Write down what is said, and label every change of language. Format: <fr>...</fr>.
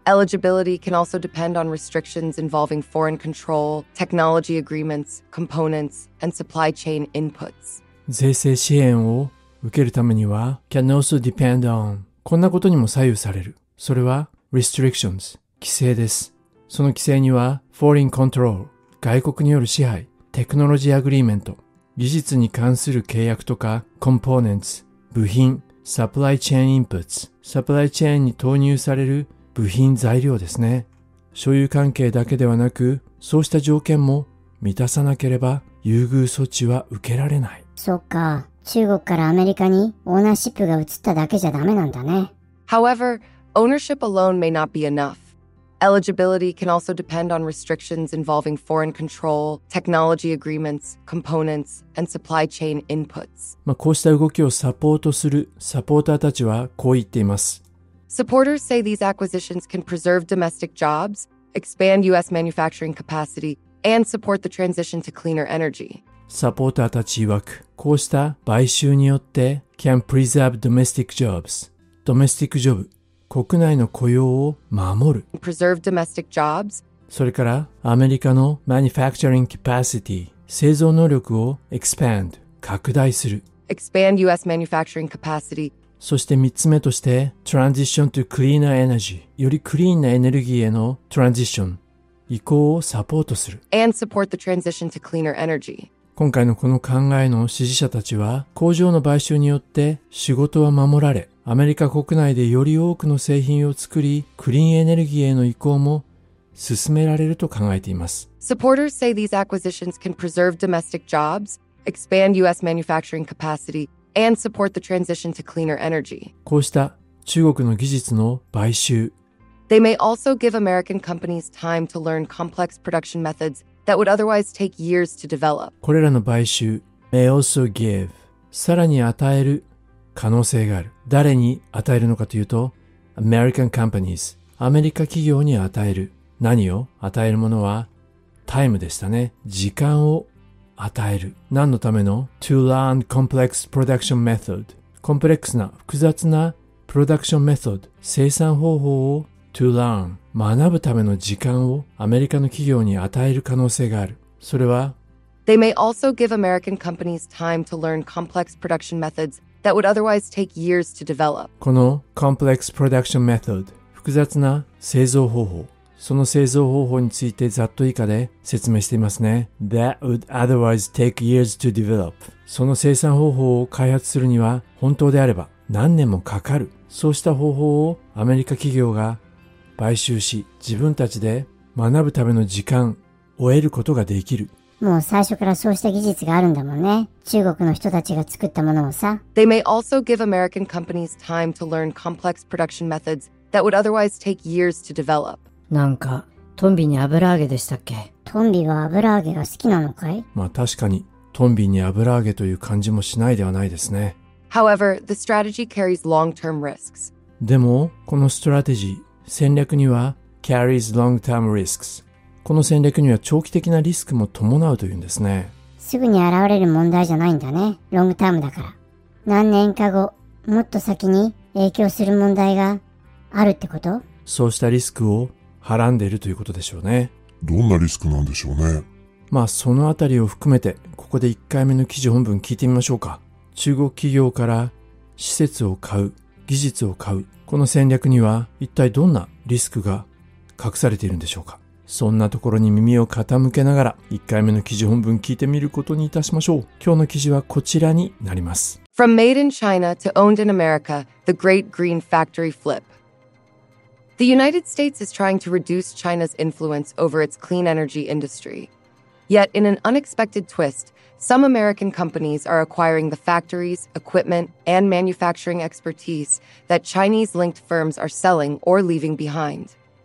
<en>eligibility can also depend on restrictions involving foreign control technology agreements components and supply chain inputs</en> <ja>税制支援を受けるためには</ja> <en>can also depend on</en> <ja>こんなことにも左右されるそれは restrictions 規制ですその規制には</ja> <en>foreign control</en> <ja>外国による支配テクノロジーアグリーメント技術に関する契約とか components 部品</ja> <en>supply chain inputs</en> <ja>supply chain に投入される部品材料ですね所有関係だけではなくそうした条件も満たさなければ優遇措置は受けられないそっか中国からアメリカにオーナーシップが移っただけじゃダメなんだね。</ja> <en>However, ownership alone may not be enough. Eligibility can also depend on restrictions involving foreign control, technology agreements, components, and supply chain inputs.</en> <ja>まあこうした動きをサポートするサポーターたちはこう言っています。</ja> <en>Supporters say these acquisitions can preserve domestic jobs, expand US manufacturing capacity, and support the transition to cleaner energy.</en> <ja>サポーターたち曰く、こうした買収によって</ja> <en>can preserve domestic jobs.</en> <ja>ドメスティックジョブ、国内の雇用を守る。</ja> <en>Preserve domestic jobs.</en> <ja>それからアメリカの</ja> <en>manufacturing capacity</en> <ja>製造能力を expand 拡大する。</ja> <en>Expand U.S. manufacturing capacity.</en> <ja>そして3つ目として</ja> <en>transition to cleaner energy</en> <ja>よりクリーンなエネルギーへの transition 移行をサポートする。</ja> <en>And support the transition to cleaner energy.</en> <ja>今回のこの考えの支持者たちは、工場の買収によって仕事は守られ、アメリカ国内でより多くの製品を作り、クリーンエネルギーへの移行も進められると考えています。</ja> <en>Supporters say these acquisitions can preserve domestic jobs, expand U.S. manufacturing capacity, and support the transition to cleaner energy.</en> <ja>こうした中国の技術の買収。</ja> <en>They may also give American companies time to learn complex production methods. That would otherwise take years to develop.</en> <ja>これらの買収</ja> <en>may also give</en> <ja>さらに与える可能性がある。誰に与えるのかというと、</ja> <en>American companies</en> <ja>アメリカ企業に与える。何を与えるものは、タイムでしたね。時間を与える。何のための</ja> <en>to learn complex production method</en> <ja>コンプレックスな複雑な</ja> <en>production method</en> <ja>生産方法を to learn学ぶための時間をアメリカの企業に与える可能性がある。それは、</ja> <en>They may also give American companies time to learn complex production methods that would otherwise take years to develop.</en> <ja>この</ja> <en>complex production method、</en> <ja>複雑な製造方法、その製造方法についてざっと以下で説明していますね。</ja> <en>That would otherwise take years to develop.</en> <ja>その生産方法を開発するには、本当であれば何年もかかる。そうした方法をアメリカ企業が買収し自分たちで学ぶための時間を得ることができる。もう最初からそうした技術があるんだもんね。中国の人たちが作ったものをさ。</ja> <en>They may also give American companies time to learn complex production methods that would otherwise take years to develop.</en> <ja>なんかトンビに油揚げでしたっけ？トンビは油揚げが好きなのかい？まあ確かにトンビに油揚げという感じもしないではないですね。</ja> <en>However, the strategy carries long-term risks.</en> <ja>でもこのストラテジー戦略には</ja> <en>carries long-term risks</en> <ja>この戦略には長期的なリスクも伴うというんですね。すぐに現れる問題じゃないんだね。ロングタームだから何年か後もっと先に影響する問題があるってこと。そうしたリスクをはらんでいるということでしょうね。どんなリスクなんでしょうね。まあそのあたりを含めてここで1回目の記事本文聞いてみましょうか。中国企業から施設を買う技術を買うこの戦略には一体どんなリスクが隠されているんでしょうか。そんなところに耳を傾けながら1回目の記事本文聞いてみることにいたしましょう。今日の記事はこちらになります。</ja> <en>From made in China to owned in America, the great green factory flip. The United States is trying to reduce China's influence over its clean energy industry. Yet in an unexpected twist,Some American companies are acquiring the factories, equipment, and manufacturing expertise that Chinese-linked firms are selling or leaving behind.</en>